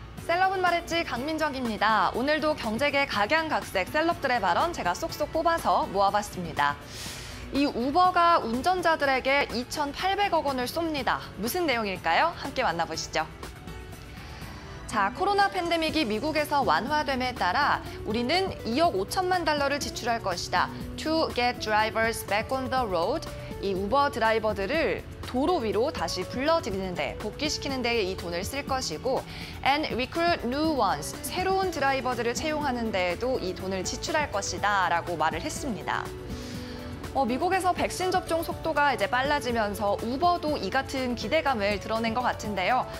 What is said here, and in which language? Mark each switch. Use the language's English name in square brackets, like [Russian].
[Korean] 셀럽은 말했지 강민정입니다. 오늘도 경제계 각양각색 셀럽들의 발언 제가 쏙쏙 뽑아서 모아봤습니다. 이 우버가 운전자들에게 2,800억 원을 쏩니다. 무슨 내용일까요? 함께 만나보시죠. 자, 코로나 팬데믹이 미국에서 완화됨에 따라 우리는 2억 5천만 달러를 지출할 것이다. [English] To get drivers back on the road. [Korean] 이 우버 드라이버들을 도로 위로 다시 불러들이는데, 복귀시키는 데에 이 돈을 쓸 것이고, [English] and recruit new ones, [Korean] 새로운 드라이버들을 채용하는 데에도 이 돈을 지출할 것이다 라고 말을 했습니다. 미국에서 백신 접종 속도가 이제 빨라지면서 우버도 이 같은 기대감을 드러낸 것 같은데요.